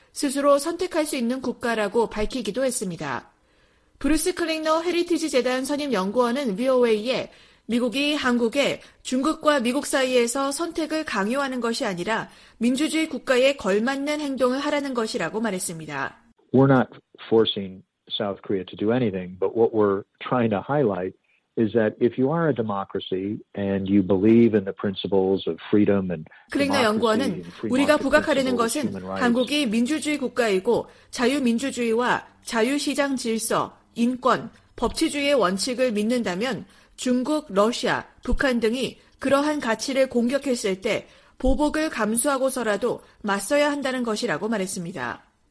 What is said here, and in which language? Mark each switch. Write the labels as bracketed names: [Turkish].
[Korean] 스스로 선택할 수 있는 국가라고 밝히기도 했습니다. 브루스 클링너 헤리티지 재단 선임 연구원은 VOA에 미국이 한국에 중국과 미국 사이에서 선택을 강요하는 것이 아니라 민주주의 국가에 걸맞는 행동을 하라는 것이라고 말했습니다. [English] We're not forcing South Korea to do anything, but what we're trying to highlight is that if you are a democracy and you believe in the principles of freedom and [Korean] 클링너 연구원은 우리가 부각하려는 것은 한국이 민주주의 국가이고 자유민주주의와 자유시장 질서, 인권, 법치주의의 원칙을 믿는다면 중국, 러시아, 북한 등이 그러한 가치를 공격했을 때 보복을 감수하고서라도 맞서야 한다는 것이라고 말했습니다.